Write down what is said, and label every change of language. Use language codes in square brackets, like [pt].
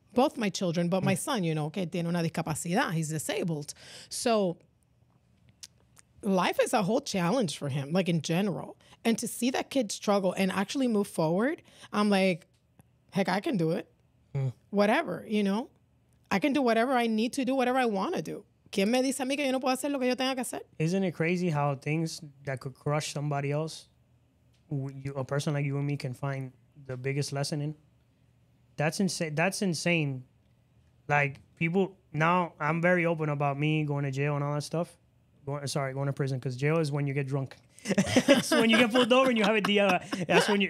[en] Both my children, but my son, you know, [es] que tiene una discapacidad. [en] He's disabled. So, life is a whole challenge for him, like in general. And to see that kid struggle and actually move forward, I'm like, heck, I can do it. Mm. Whatever, you know? I can do whatever I need to do, whatever I want to do. [es] ¿Quién me dice a mí que yo no puedo hacer lo que yo tenga que hacer? [en] Isn't it crazy how things that could crush somebody else, a person like you and me can find the biggest lesson in? That's insane. That's insane. Like, people, now I'm very open about me going to jail and all that stuff. Going to prison, because jail is when you get drunk. It's when you get pulled over and you have a DUI.